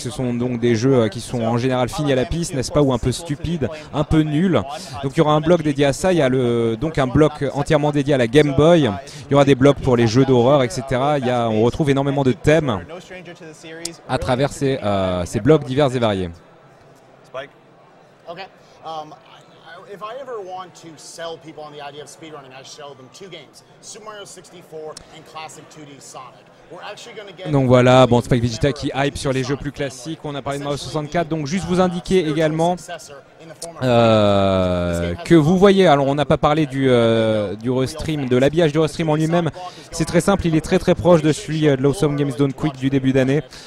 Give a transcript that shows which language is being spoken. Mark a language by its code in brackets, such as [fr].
[fr] Ce sont donc des jeux qui sont en général finis à la piste, n'est-ce pas, ou un peu stupides, un peu nuls. Donc il y aura un bloc dédié à ça. Il y a donc un bloc entièrement dédié à la Game Boy. Il y aura des blocs pour les jeux d'horreur, etc. On retrouve énormément de thèmes à travers ces blocs divers et variés. [en] Spike. Okay. If I ever want to sell people on the idea of speedrunning, I sell them two games, Super Mario 64 and Classic 2D Sonic. [fr] Donc voilà, bon, Spike Vegeta qui hype sur les jeux plus classiques. On a parlé de Mario 64. Donc juste vous indiquer également que vous voyez. Alors on n'a pas parlé du restream, de l'habillage du restream en lui-même. C'est très simple, il est très très proche de celui de l'Awesome Games Done Quick du début d'année.